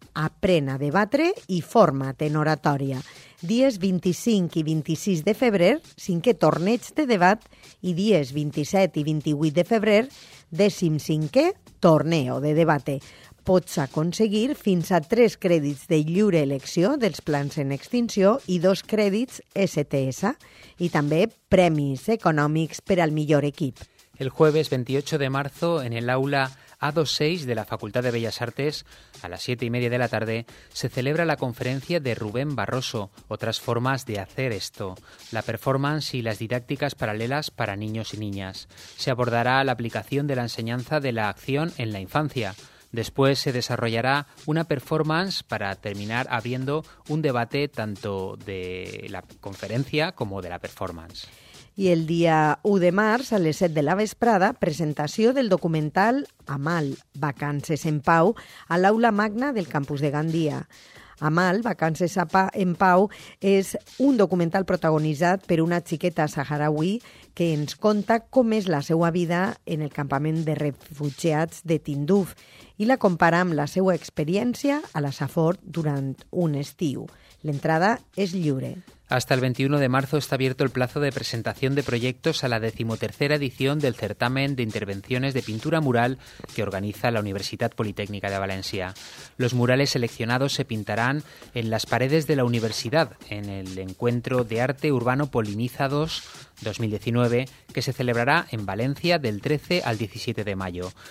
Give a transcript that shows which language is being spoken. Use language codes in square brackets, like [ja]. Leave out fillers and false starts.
[ca] Aprèn a debatre i forma't en oratòria. Dies 25 i 26 de febrer, 5è torneig de debat, i dies 27 i 28 de febrer, 15è [es] torneo de debate. [ca] Pots aconseguir fins a 3 crèdits de lliure elecció dels plans en extinció i 2 crèdits STS i també premis econòmics per al millor equip. [es] El jueves 28 de marzo, en el aula A26 de la Facultat de Bellas Artes, a las 7:30 de la tarde, se celebra la conferencia de Rubén Barroso, Otras formas de hacer esto, la performance y las didácticas paralelas para niños y niñas. Se abordará la aplicación de la enseñanza de la acción en la infancia. Después se desarrollará una performance para terminar abriendo un debate tanto de la conferencia como de la performance. [ca] I el dia 1 de març, a les 7 de la vesprada, presentació del documental Amal, Vacances en Pau, a l'aula magna del campus de Gandia. Amal, Vacances en Pau, és un documental protagonitzat per una xiqueta saharaui que ens conta com és la seva vida en el campament de refugiats de Tindouf i la compara amb la seva experiència a la Safor durant un estiu. L'entrada és lliure. [es] Hasta el 21 de marzo está abierto el plazo de presentación de proyectos a la 13ª edición del Certamen de Intervenciones de Pintura Mural que organiza la Universitat Politécnica de València. Los murales seleccionados se pintarán en las paredes de la universidad en el Encuentro de Arte Urbano Polinizados 2019, que se celebrará en Valencia del 13 al 17 de mayo.